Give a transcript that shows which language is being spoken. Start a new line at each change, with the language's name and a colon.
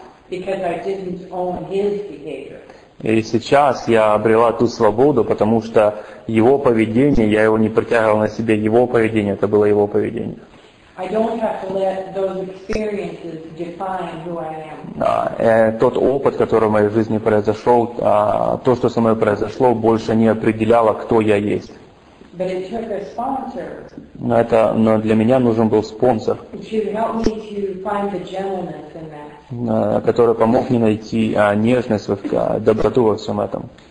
English: Because I didn't own his behavior.
Russian: И сейчас я обрела ту свободу, потому что его поведение, я его не притягивал на себе, его поведение, это было его поведение.
English: I don't have to let those experiences define who I am.
Russian: Тот опыт, который в моей жизни произошел, то, что со мной произошло, больше не определяло, кто я есть.
English: But it took a sponsor.
Russian: Но для меня нужен был спонсор.
English: To help me to find the gentleness in that.
Russian: Который помог мне найти нежность, доброту во всем этом.